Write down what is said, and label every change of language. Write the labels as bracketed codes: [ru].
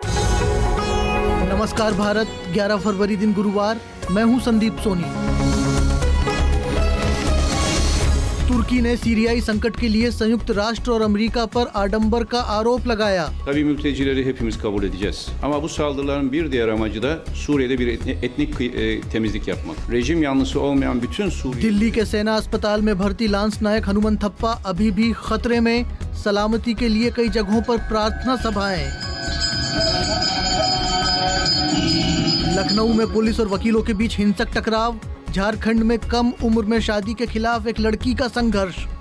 [hi] नमस्कार भारत, 11 फरवरी दिन गुरुवार, मैं हूं संदीप सोनी। तुर्की ने सीरियाई संकट के लिए संयुक्त राष्ट्र और अमेरिका पर आडंबर का आरोप लगाया। [tr] तभी मültecileri hepimiz kabul edeceğiz. Ama bu saldırıların bir diğer amacı da Suriye'de bir etnik temizlik yapmak. Rejim yanlısı olmayan bütün Suriye. [hi] Delhi के सेना अस्पताल में भर्ती लांस नायक हनुमान थप्पा अभी भी खतरे में, सलामती के लिए कई जगहों पर प्रार्थना सभाएं। लखनऊ में पुलिस और वकीलों के बीच हिंसक टकराव। झारखंड में कम उम्र में शादी के खिलाफ एक लड़की का संघर्ष।